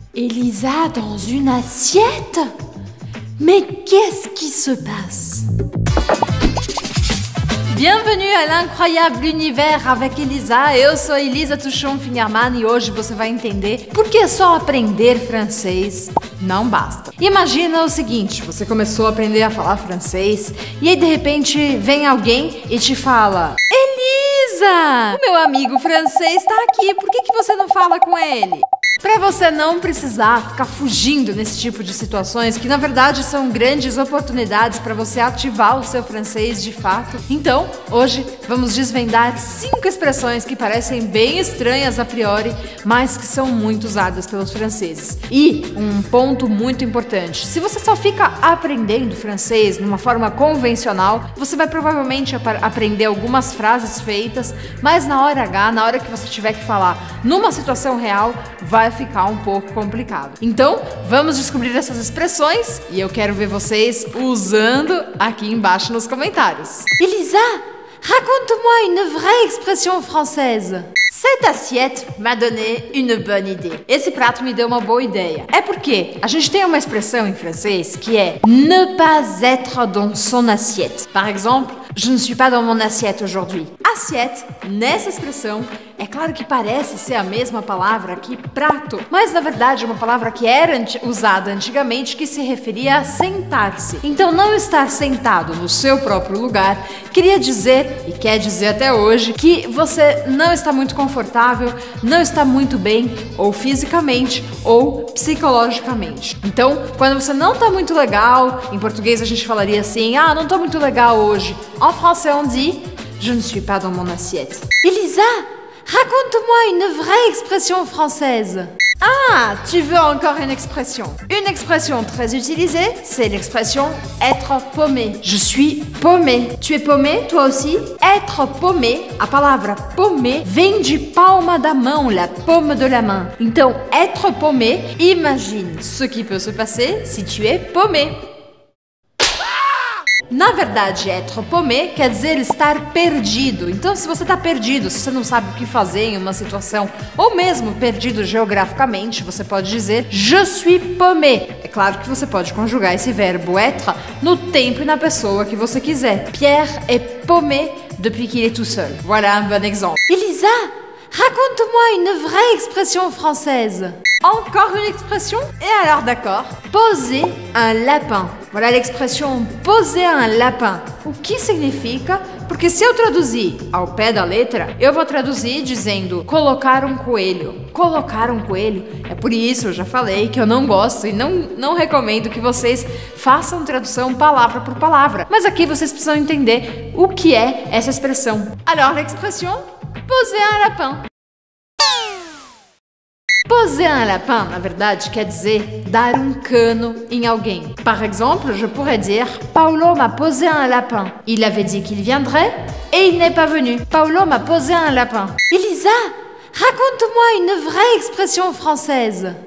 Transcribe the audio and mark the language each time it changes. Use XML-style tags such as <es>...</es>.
<fr>Elisa dans une assiette? Mais qu'est-ce qui se passe? Bienvenue à l'incroyable univers avec Elisa.</fr> <pt>Eu sou Elisa Touchon-Fingerman e hoje você vai entender por que só aprender francês não basta. Imagina o seguinte, você começou a aprender a falar francês e aí de repente vem alguém e te fala: Elisa, o meu amigo francês tá aqui, por que você não fala com ele? Para você não precisar ficar fugindo nesse tipo de situações, que na verdade são grandes oportunidades para você ativar o seu francês de fato. Então, hoje vamos desvendar 5 expressões que parecem bem estranhas a priori, mas que são muito usadas pelos franceses. E um ponto muito importante: se você só fica aprendendo francês numa forma convencional, você vai provavelmente aprender algumas frases feitas, mas na hora H, na hora que você tiver que falar numa situação real, vai ficar um pouco complicado. Então, vamos descobrir essas expressões e eu quero ver vocês usando aqui embaixo nos comentários.</pt> <fr>Elisa, raconte-moi une vraie expression française. Cette assiette m'a donné une bonne idée.</fr> <pt>Esse prato me deu uma boa ideia. É porque a gente tem uma expressão em francês que é</pt> <fr>ne pas être dans son assiette. Par exemple, je ne suis pas dans mon assiette aujourd'hui.</fr> <pt>Assiette, nessa expressão, é claro que parece ser a mesma palavra que prato, mas na verdade é uma palavra que era usada antigamente que se referia a sentar-se. Então, não estar sentado no seu próprio lugar queria dizer, e quer dizer até hoje, que você não está muito confortável, não está muito bem, ou fisicamente, ou psicologicamente. Então, quando você não está muito legal, em português a gente falaria assim: ah, não estou muito legal hoje.</pt> <fr>En français, on dit: je ne suis pas dans mon assiette. Elisa, raconte-moi une vraie expression française. Ah, tu veux encore une expression? Une expression très utilisée, c'est l'expression être paumé. Je suis paumé. Tu es paumé, toi aussi? Être paumé,</fr> <pt>a palavra paumé, vem de palma da mão,</pt> <fr>la paume de la main. Então, être paumé, imagine ce qui peut se passer si tu es paumé.</fr> <pt>Na verdade,</pt> <fr>être paumé</fr> <pt>quer dizer estar perdido. Então, se você está perdido, se você não sabe o que fazer em uma situação, ou mesmo perdido geograficamente, você pode dizer</pt> <fr>je suis paumé.</fr> <pt>É claro que você pode conjugar esse verbo être no tempo e na pessoa que você quiser.</pt> <fr>Pierre est paumé depuis qu'il est tout seul. Voilà un bon exemple. Elisa, raconte-moi une vraie expression française. Encore une expression? Et alors d'accord. Poser un lapin. Voilà l'expression poser un lapin.</fr> <pt>O que significa? Porque se eu traduzir ao pé da letra, eu vou traduzir dizendo colocar um coelho. Colocar um coelho. É por isso, eu já falei, que eu não gosto e não recomendo que vocês façam tradução palavra por palavra. Mas aqui vocês precisam entender o que é essa expressão.</pt> <fr>Alors l'expression poser un lapin. Poser un lapin,</fr> <pt>na verdade, quer dizer dar um cano em alguém.</pt> <fr>Par exemple, je pourrais dire: Paulo m'a posé un lapin. Il avait dit qu'il viendrait et il n'est pas venu. Paulo m'a posé un lapin. Elisa, raconte-moi une vraie expression française.</fr>